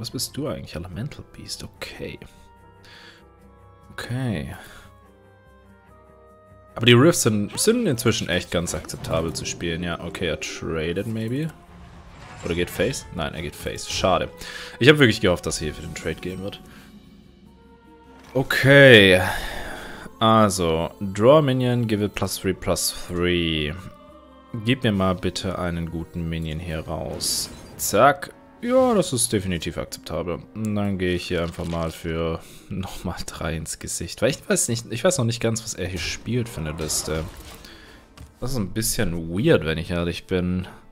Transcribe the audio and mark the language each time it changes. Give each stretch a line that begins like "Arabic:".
German: Was bist du eigentlich? Elemental Beast. Okay. Okay. Aber die Rifts sind inzwischen echt ganz akzeptabel zu spielen. Ja, okay, er traded maybe. Oder geht Face? Nein, er geht Face. Schade. Ich habe wirklich gehofft, dass er hier für den Trade gehen wird. Okay.
English: Also, draw a minion, give it +3/+3.
German: Gib mir mal bitte einen guten Minion hier raus. Zack. Ja, das ist definitiv akzeptabel. Und dann gehe ich hier einfach mal für nochmal 3 ins Gesicht. Weil ich weiß noch nicht ganz, was er hier spielt für eine Liste. Das ist ein bisschen weird, wenn ich ehrlich bin.